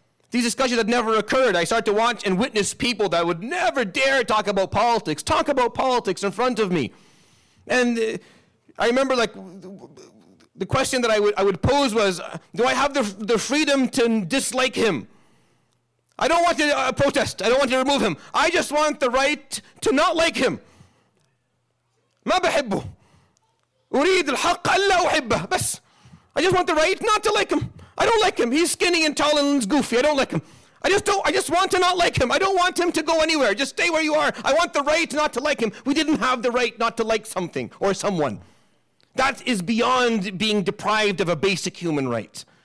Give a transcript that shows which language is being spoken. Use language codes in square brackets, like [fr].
[en] These discussions had never occurred. I started to watch and witness people that would never dare talk about politics in front of me. And I remember, like, the question that I would pose was, do I have the freedom to dislike him? I don't want to protest. I don't want to remove him. I just want the right to not like him. [ar] مَا بَحِبُّهُ أُرِيدُ الْحَقَّ أَلَّا أُحِبَّهُ بس. [en] I just want the right not to like him. I don't like him. He's skinny and tall and goofy. I don't like him. I just want to not like him. I don't want him to go anywhere. Just stay where you are. I want the right not to like him. We didn't have the right not to like something or someone. That is beyond being deprived of a basic human right.